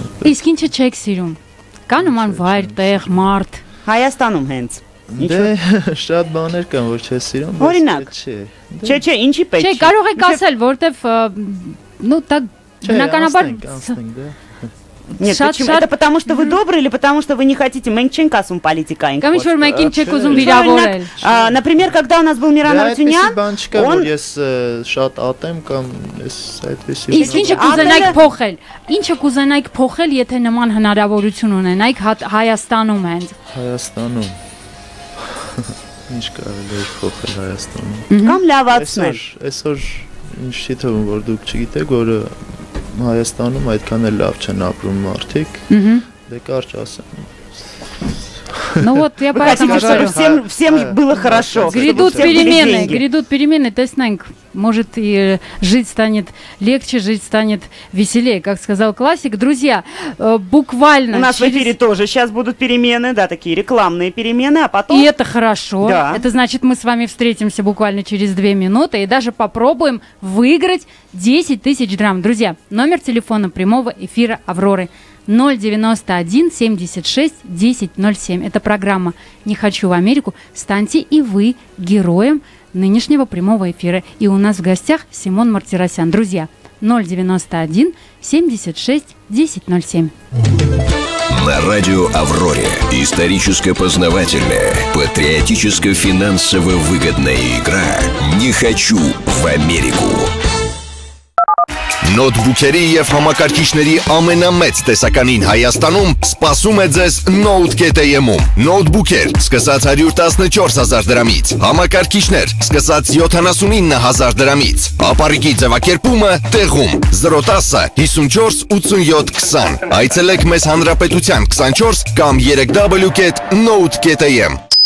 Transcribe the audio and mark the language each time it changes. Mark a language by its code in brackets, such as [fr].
[hy] իսկ ինչը չեք սիրում կա նման վայր տեղ մարդ Հայաստանում հենց Դե շատ բաներ կան, որ չես սիրում, բայց օրինակ չէ։ Չէ, ինչի պետք։ Չէ, կարող եք ասել, որտեվ [ru] ну так [hy] բնականաբար [ru] Нет, шат, почему? Шат. Это потому, что вы добрые или потому, что вы не хотите? Мы ничего не касаем политика. Например, когда у нас был Миран Арутюнян, он... И [hy] ինչը կուզենայք փոխել? Ինչը կուզենայք փոխել, եթե նման հնարավորություն ունենայք Հայաստանում հենց? Հայաստանում. Ինչ կարելի է փոխել Հայաստանում? Կամ լավացնել. Այսօր ինչ չիտեմ, որ դուք չգիտեք, որ Հայաստանում այդքան էլ լավ չեն ապրում մարդիկ։ Դե կարճ ասեմ։ [ru] Ну вот, я поэтому говорю, всем было хорошо. Грядут перемены, то есть, наверное, может и жить станет легче, жить станет веселее, как сказал классик. Друзья, буквально У нас через... в эфире тоже сейчас будут перемены, да, такие рекламные перемены, а потом... И это хорошо. Да. Это значит, мы с вами встретимся буквально через 2 минуты и даже попробуем выиграть 10 тысяч драм. Друзья, номер телефона прямого эфира «Авроры». 091-76-1007. Это программа «Не хочу в Америку». Станьте и вы героем нынешнего прямого эфира. И у нас в гостях Симон Мартиросян. Друзья, 091-76-1007. На радио «Авроре» историческо-познавательная, патриотическо-финансово выгодная игра «Не хочу в Америку». [hy] Նոթբուքերի եւ համակարգիչների ամենամեծ տեսականին Հայաստանում սպասում է ձեզ Notegate.am-ում։ Նոթբուքեր սկսած 114,000 դրամից, համակարգիչներ սկսած 79,000 դրամից։ Ապառիկի ձևակերպումը տեղում 010-54-87-20։ Այցելեք մեզ Հանրապետության 24 կամ www.notegate.am։